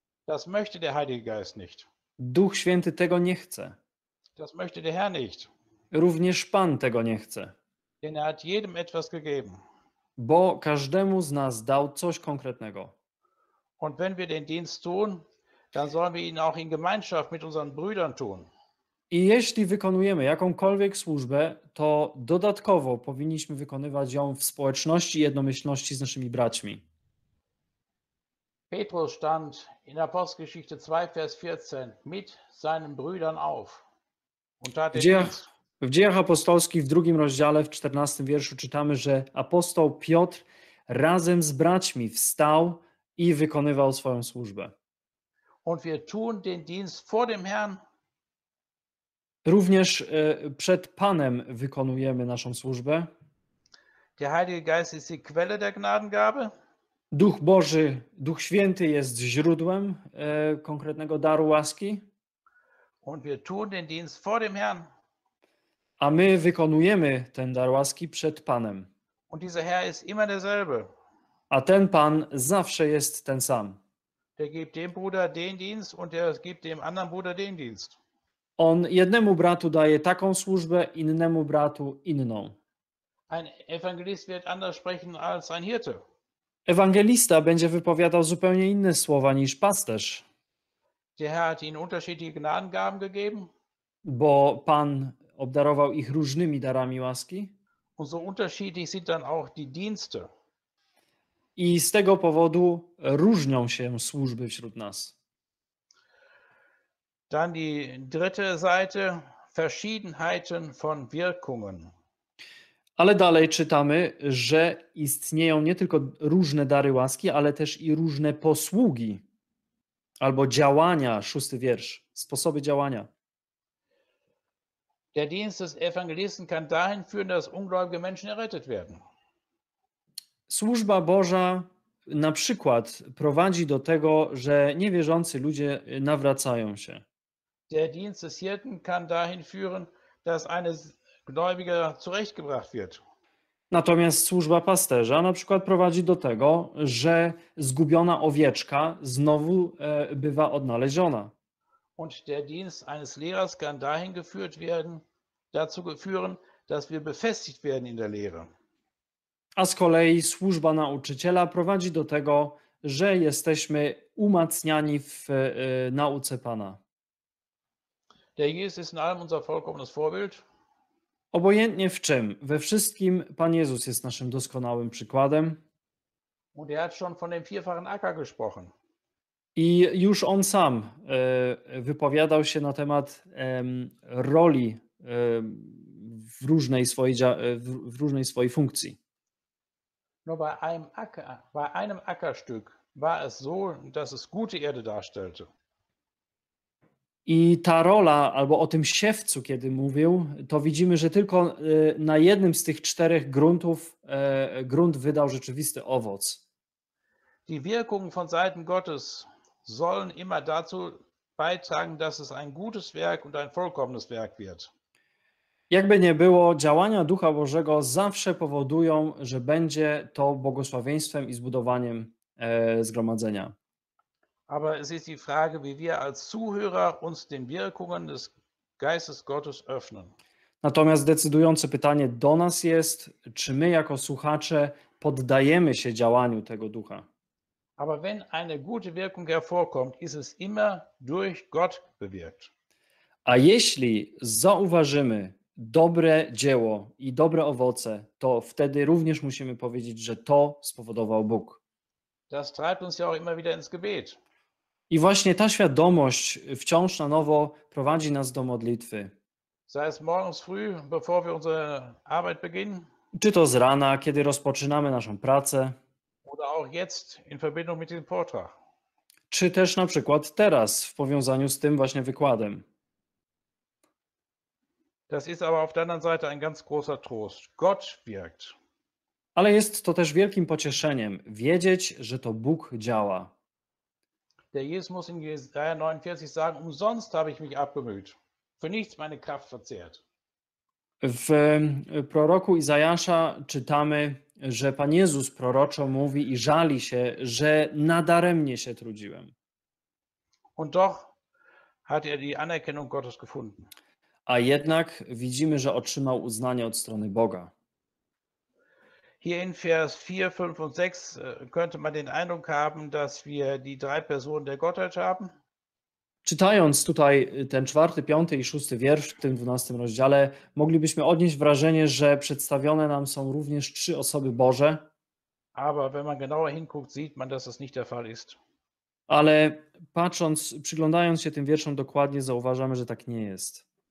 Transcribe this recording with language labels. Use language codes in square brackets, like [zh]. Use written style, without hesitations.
[de] Das möchte der Heilige Geist nicht. [pl] Duch Święty tego nie chce. [de] Das möchte der Herr nicht. [pl] Również Pan tego nie chce. [de] Denn er hat jedem etwas gegeben. [pl] Bo każdemu z nas dał coś konkretnego. [de] Und wenn wir den Dienst tun, dann sollen wir ihn auch in Gemeinschaft mit unseren Brüdern tun. [pl] I jeśli wykonujemy jakąkolwiek służbę, to dodatkowo powinniśmy wykonywać ją w społeczności i jednomyślności z naszymi braćmi. [de] Petrus stand in Apostelgeschichte 2, Vers 14 mit seinen Brüdern auf. Und tat den Dienst. [pl] W Dziejach Apostolskich w 2 rozdziale, w 14 wierszu czytamy, że apostoł Piotr razem z braćmi wstał i wykonywał swoją służbę. [de] Und wir tun den Dienst vor dem Herrn. [pl] Również przed Panem wykonujemy naszą służbę. [de] Der Heilige Geist ist die Quelle der Gnadengabe. [pl] Duch Boży, Duch Święty jest źródłem konkretnego daru łaski. [de] Und wir tun den Dienst vor dem Herrn. [pl] A my wykonujemy ten dar łaski przed Panem. [de] Und dieser Herr ist immer derselbe. [pl] A ten Pan zawsze jest ten sam. [de] Der gibt dem Bruder den Dienst und der gibt dem anderen Bruder den Dienst. [pl] On jednemu bratu daje taką służbę, innemu bratu inną. [de] Ein Evangelist wird anders sprechen als ein Hirte. [pl] Ewangelista będzie wypowiadał zupełnie inne słowa niż pasterz. [de] Der Herr hat ihnen unterschiedliche Gnadengaben gegeben. [pl] Bo Pan obdarował ich różnymi darami łaski. [de] Und so unterschiedlich sind dann auch die Dienste. [pl] I z tego powodu różnią się służby wśród nas. [de] Dann die dritte Seite, Verschiedenheiten von Wirkungen. [pl] Ale dalej czytamy, że istnieją nie tylko różne dary łaski, ale też i różne posługi albo działania, szósty wiersz, sposoby działania. [de] Der Dienst des Evangelisten kann dahin führen, dass ungläubige Menschen errettet werden. [pl] Służba Boża na przykład prowadzi do tego, że niewierzący ludzie nawracają się. [de] Der Dienst des Hirten kann dahin führen, dass eines Gläubiger zurechtgebracht wird. [pl] Natomiast służba pasterza na przykład prowadzi do tego, że zgubiona owieczka znowu bywa odnaleziona. [de] Und der Dienst eines Lehrers kann dahin geführt werden, dazu führen, dass wir befestigt werden in der Lehre. [pl] A z kolei służba nauczyciela prowadzi do tego, że jesteśmy umacniani w nauce Pana. [de] Der Jesus ist in allem unser vollkommenes Vorbild. [pl] Obojętnie w czym, we wszystkim Pan Jezus jest naszym doskonałym przykładem. [de] Und er hat schon von dem vierfachen Acker gesprochen. [pl] I już on sam wypowiadał się na temat roli w różnej swojej funkcji. [de] No bei einem Ackerstück war es so, dass es gute Erde darstellte. [pl] I ta rola, albo o tym siewcu, kiedy mówił, to widzimy, że tylko na jednym z tych czterech gruntów grunt wydał rzeczywisty owoc. [de] Die Wirkung von Seiten Gottes sollen immer dazu beitragen, dass es ein gutes Werk und ein vollkommenes Werk wird. [pl] Jakby nie było, działania Ducha Bożego zawsze powodują, że będzie to błogosławieństwem i zbudowaniem zgromadzenia. [de] Aber es ist die Frage, wie wir als Zuhörer uns den Wirkungen des Geistes Gottes öffnen. [pl] Natomiast decydujące pytanie do nas jest, czy my jako słuchacze poddajemy się działaniu tego Ducha. [de] Aber wenn eine gute Wirkung hervorkommt, ist es immer durch Gott bewirkt. [pl] A jeśli zauważymy dobre dzieło i dobre owoce, to wtedy również musimy powiedzieć, że to spowodował Bóg. [de] Das treibt uns ja auch immer wieder ins Gebet. [pl] I właśnie ta świadomość wciąż na nowo prowadzi nas do modlitwy. [de] Sei es morgens früh, bevor wir unsere Arbeit beginnen. [pl] Czy to z rana, kiedy rozpoczynamy naszą pracę. [de] Oder auch jetzt in Verbindung mit dem Vortrag. [pl] Czy też na przykład teraz w powiązaniu z tym właśnie wykładem. [de] Das ist aber auf der anderen Seite ein ganz großer Trost. Gott wirkt. [pl] Ale jest to też wielkim pocieszeniem wiedzieć, że to Bóg działa. [de] Der Jesus muss in Jesaja 49 sagen, umsonst habe ich mich abgemüht, für nichts meine Kraft verzehrt. [pl] W proroku Izajasza czytamy, że Pan Jezus proroczo mówi i żali się, że nadaremnie się trudziłem. [de] Und doch hat er die Anerkennung Gottes gefunden. [pl] A jednak widzimy, że otrzymał uznanie od strony Boga. [de] Hier in Vers 4, 5 und 6 könnte man den Eindruck haben, dass wir die drei Personen der Gottheit haben. [pl] Czytając tutaj ten czwarty, piąty i szósty wiersz w tym 12 rozdziale, moglibyśmy odnieść wrażenie, że przedstawione nam są również trzy osoby Boże. [de] Aber wenn man genauer hinguckt, sieht man, dass das nicht der Fall ist. [pl] Ale patrząc, przyglądając się tym wierszom dokładnie, zauważamy, że tak nie jest.